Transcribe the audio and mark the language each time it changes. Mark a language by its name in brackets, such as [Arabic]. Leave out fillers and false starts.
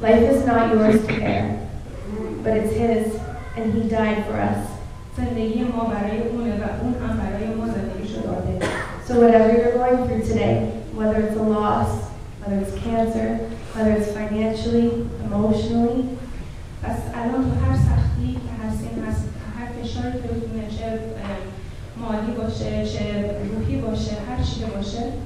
[English] Life is not yours to care, but it's his, and he died for us. [Persian] زندگی ما برای اونه و اون هم برای ما زندگی شده داده. [English] So whatever you're going through today, whether it's a loss, whether it's cancer, whether it's financially, emotionally, [Persian] پس الان تو هر سختی که هستیم هر فشاری که بتونه چه مالی باشه چه روحی باشه هر چی باشه